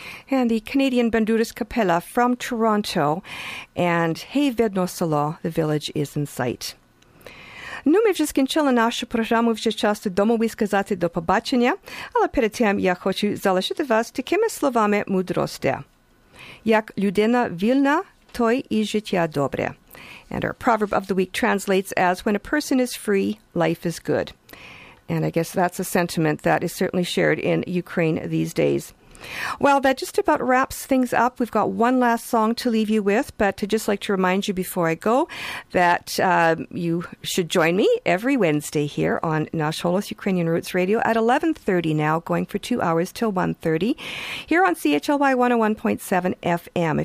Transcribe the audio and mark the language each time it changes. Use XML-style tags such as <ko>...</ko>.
<en>and the Canadian Banduras Capella from Toronto, and Hey Vedno Solo, the village is in sight.</en> <uk>Ну, ми вже скінчили нашу програму вже часу домові сказати до побачення, але перед тим я хочу залишити вас такими словами мудрості. Як людина вільна, той і життя добре.</uk> <en>And our proverb of the week translates as, when a person is free, life is good. And I guess that's a sentiment that is certainly shared in Ukraine these days. Well, that just about wraps things up. We've got one last song to leave you with, but I'd just like to remind you before I go that you should join me every Wednesday here on Nash Holos Ukrainian Roots Radio at 11:30 now, going for 2 hours till 1:30 here on CHLY 101.7 FM.</en>